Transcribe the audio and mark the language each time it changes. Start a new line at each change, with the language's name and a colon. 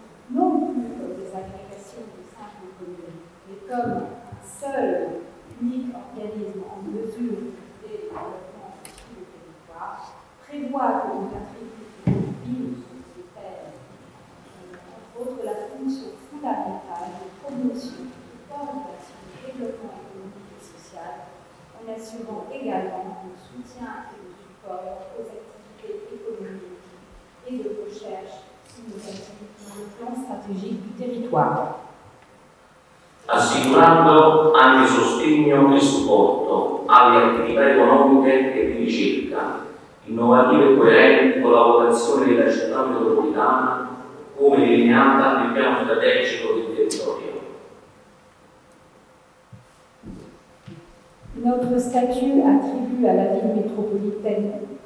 French: non plus comme des agrégations de simples communes, mais comme un seul, unique organisme en mesure de développement de tout le territoire, prévoit qu'on attribue aux villes sociétaires, entre autres, la fonction fondamentale de promotion de l'orientation. Développement économique et social, en assurant également le soutien et le support aux activités économiques et de recherche innovatives dans le plan stratégique du territoire.
Italian: Assicurando anche sostegno e supporto alle attività economiche e di ricerca, innovative e coerenti con la vocazione della città metropolitana come delineata nel piano strategico del territorio.
French: Notre statut attribue à la ville métropolitaine.